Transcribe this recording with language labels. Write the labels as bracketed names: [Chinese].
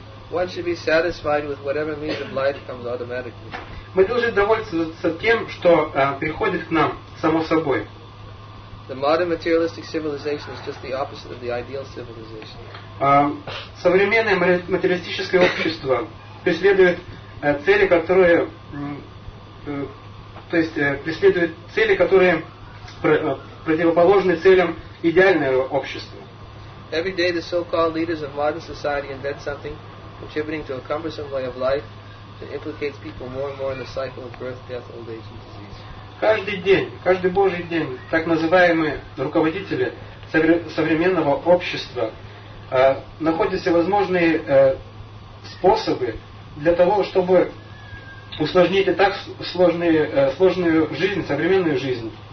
[English] One should be satisfied with whatever means of life comes automatically. [Russian] Мы должны довольствоваться тем, что приходит к нам само собой. [English] The modern materialistic civilization is just the opposite of the ideal civilization. [Russian] Современное материалистическое общество преследует цели, которые, то есть преследует цели, которые противоположны целям идеального общества. [English] Every day the so-called leaders of modern society invent something contributing to a cumbersome way of life that implicates people more and more in the cycle of birth, death, old age, and disease. [Russian] Каждый день, каждый божий день, так называемые руководители современного общества находят всевозможные способы для того, чтобы усложнить и так сложную жизнь, современную жизнь.